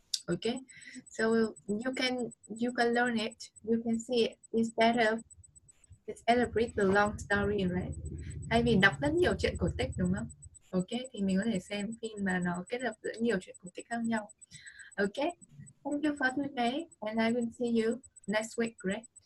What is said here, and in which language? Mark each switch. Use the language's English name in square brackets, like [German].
[English] Okay, so you can learn it, you can see it. It's celebrate the long story, right? [Vietnamese] Thay vì đọc rất nhiều chuyện cổ tích đúng không? Ok, thì mình có thể xem phim mà nó kết hợp giữa nhiều chuyện cổ tích khác nhau. [English] Ok, thank you for today and I will see you next week, right?